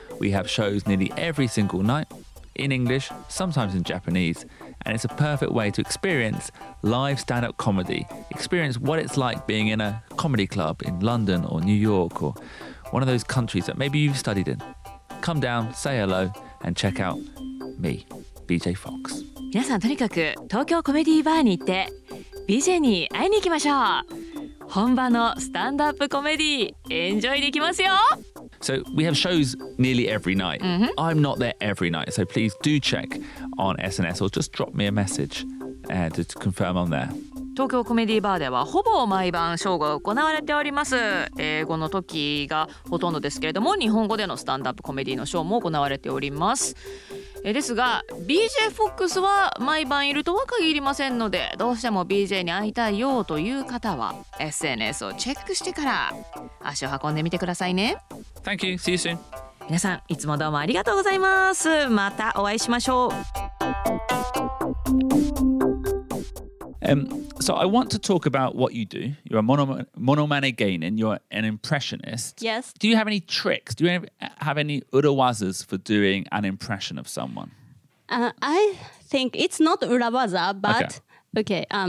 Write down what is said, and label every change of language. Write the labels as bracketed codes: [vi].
[en] We have shows nearly every single night, in English, sometimes in Japanese, and it's a perfect way to experience live stand-up comedy, experience what it's like being in a comedy club in London or New York or one of those countries that maybe you've studied in. Come down, say hello, and check out me, BJ Fox. [ja] 皆さん、とにかく東京コメディーバーに行って BJ に会いに行きましょう。本場のスタンドアップコメディエンジョイできますよ。 [en] So we have shows nearly every night、mm-hmm. I'm not there every night So please do check on SNS Or just drop me a message、to confirm on there [ja] 東京コメディバーではほぼ毎晩ショーが行われております英語の時がほとんどですけれども日本語でのスタンドアップコメディのショーも行われておりますですが BJ FOX は毎晩いるとは限りませんのでどうしても BJ に会いたいよという方は SNS をチェックしてから足を運んでみてくださいね [en] Thank you, see you soon [ja] 皆さんいつもどうもありがとうございますまたお会いしましょう [en] So I want to talk about what you do. You're a monomanegainen. You're an impressionist. Yes. Do you have any tricks? Do you have any urawazas for doing an impression of someone? I think it's not urawaza, but okay.